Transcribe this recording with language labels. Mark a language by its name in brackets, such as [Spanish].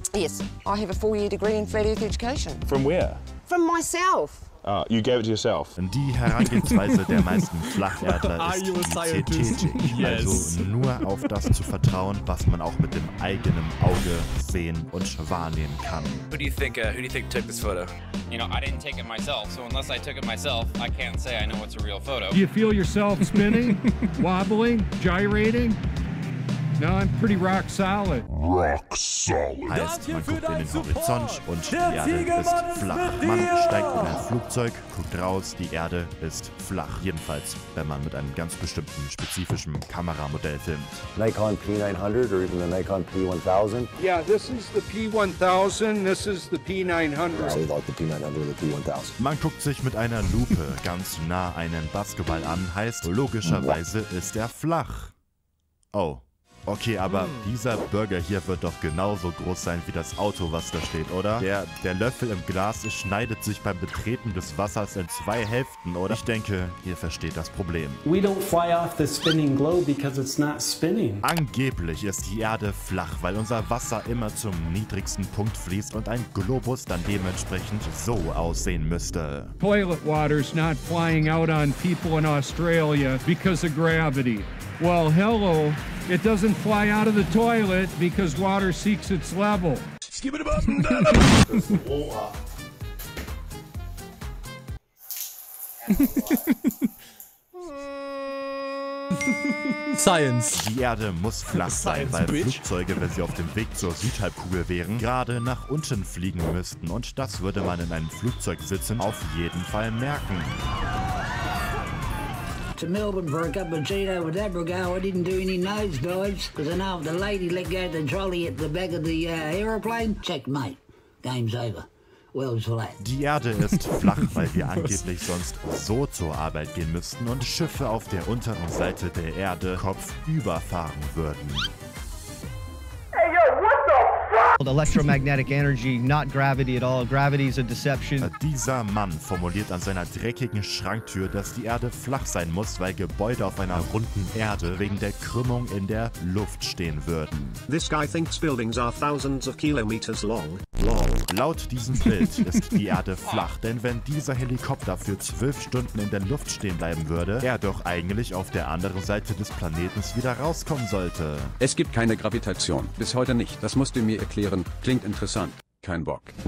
[English] Yes, I have a 4-year degree in 3D education. From where? From myself. You gave it to yourself. [German] Die Herangehensweise der meisten Flacherdler ist synthetisch, yes. Also nur auf das zu vertrauen, was man auch mit dem eigenen Auge sehen und wahrnehmen kann. [English] Who do you think took this photo? You know, I didn't take it myself, so unless I took it myself, I can't say I know it's a real photo. Do you feel yourself spinning, wobbling, gyrating? No, I'm pretty rock solid. Rock solid. [German] Heißt, man guckt in den Horizont Support. Und die Erde ist flach. Man steigt in ein Flugzeug, guckt raus, die Erde ist flach. Jedenfalls, wenn man mit einem ganz bestimmten spezifischen Kameramodell filmt. [English] Nikon P900 or even the Nikon P1000? Yeah, this is the P1000, this is the P900. I like the P900 or the P1000. [German] Man guckt sich mit einer Lupe ganz nah einen Basketball an, heißt, logischerweise ist er flach. Oh. Okay, aber dieser Burger hier wird doch genauso groß sein wie das Auto, was da steht, oder? Der Löffel im Glas schneidet sich beim Betreten des Wassers in zwei Hälften, oder? Ich denke, ihr versteht das Problem. [English] We don't fly off the spinning globe because it's not spinning. [German] Angeblich ist die Erde flach, weil unser Wasser immer zum niedrigsten Punkt fließt und ein Globus dann dementsprechend so aussehen müsste. [English] Toilet water's not flying out on people in Australia because of gravity. Well, hello. It doesn't fly out of the toilet because water seeks its level. Skip it above. Science. [German] Die Erde muss flach sein, Science, weil bitch. Flugzeuge, wenn sie auf dem Weg zur Südhalbkugel wären, gerade nach unten fliegen müssten. Und das würde man in einem Flugzeug sitzen auf jeden Fall merken. [English] to Melbourne for a cup of tea with Abrigo. I didn't do any nosedives because I know if the lady let go of the trolley at the back of the aeroplane, checkmate, game's over. [German] Die Erde ist flach, weil wir angeblich sonst so zur Arbeit gehen müssten und Schiffe auf der unteren Seite der Erde kopfüber fahren würden. [English] Hey, yo, what the fuck? Electromagnetic energy, not gravity at all. Gravity is a deception. [German] Dieser Mann formuliert an seiner dreckigen Schranktür, dass die Erde flach sein muss, weil Gebäude auf einer runden Erde wegen der Krümmung in der Luft stehen würden. [English] This guy thinks buildings are thousands of kilometers long. Long. [German] Laut diesem Bild ist die Erde flach, denn wenn dieser Helikopter für 12 Stunden in der Luft stehen bleiben würde, er doch eigentlich auf der anderen Seite des Planeten wieder rauskommen sollte. Es gibt keine Gravitation. Bis heute nicht. Das musst du mir erklären. Klingt interessant. Kein Bock.